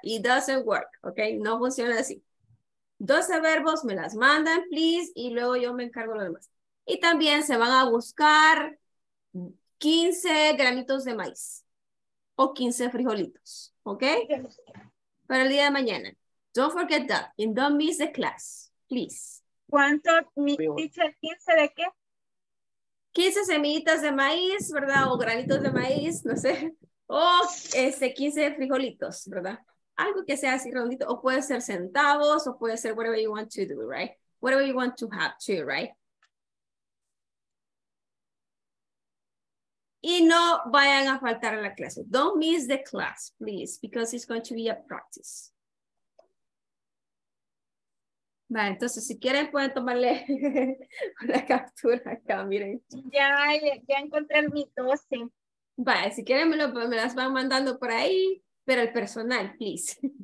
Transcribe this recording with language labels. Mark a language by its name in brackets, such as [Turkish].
[English] It doesn't work, [Spanish] ¿ok? No funciona así. 12 verbos, me las mandan, please, y luego yo me encargo de lo demás. Y también se van a buscar 15 granitos de maíz o 15 frijolitos, ¿ok? Para el día de mañana. [English] Don't forget that and don't miss the class, please. [Spanish] ¿Cuánto, mi teacher, 15 de qué? 15 semillitas de maíz, ¿verdad? O granitos de maíz, no sé. O 15 frijolitos, ¿verdad? Algo que sea así redondito. O puede ser centavos o puede ser [English] whatever you want to do, right? Whatever you want to have too, right? [Spanish] Y no vayan a faltar a la clase. [English] Don't miss the class, please, because it's going to be a practice. [Spanish] Vale, entonces, si quieren, pueden tomarle una captura acá, miren. Ya encontré mi 12. Vale, si quieren, me las van mandando por ahí, pero el personal, please.